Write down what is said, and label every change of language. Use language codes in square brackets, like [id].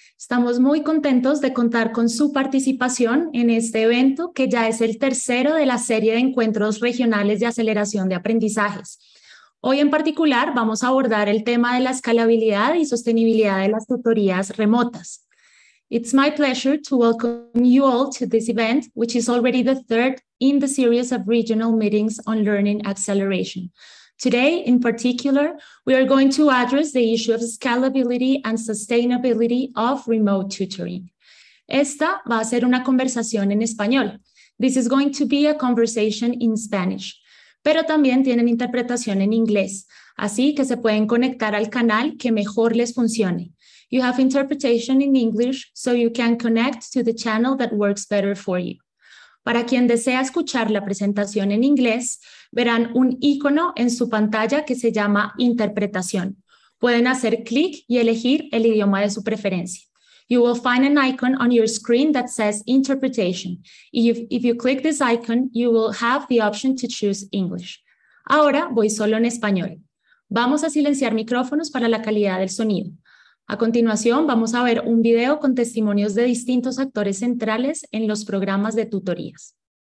[es] Estamos muy contentos de contar con su participación en este evento, que ya es el tercero de la serie de encuentros regionales de aceleración de aprendizajes. Hoy en particular vamos a abordar el tema de la escalabilidad y sostenibilidad de las tutorías remotas. [en] It's my pleasure to welcome you all to this event, which is already the third in the series of regional meetings on learning acceleration. Today, in particular, we are going to address the issue of scalability and sustainability of remote tutoring. [es] Esta va a ser una conversación en español. [en] This is going to be a conversation in Spanish. [es] Pero también tienen interpretación en inglés, así que se pueden conectar al canal que mejor les funcione. [en] You have interpretation in English, so you can connect to the channel that works better for you. [es] Para quien desea escuchar la presentación en inglés, verán un icono en su pantalla que se llama Interpretación. Pueden hacer clic y elegir el idioma de su preferencia. [en] You will find an icon on your screen that says Interpretation. If you click this icon, you will have the option to choose English. [es] Ahora voy solo en español. Vamos a silenciar micrófonos para la calidad del sonido. A continuación, vamos a ver un video con testimonios de distintos actores centrales en los programas de tutorías.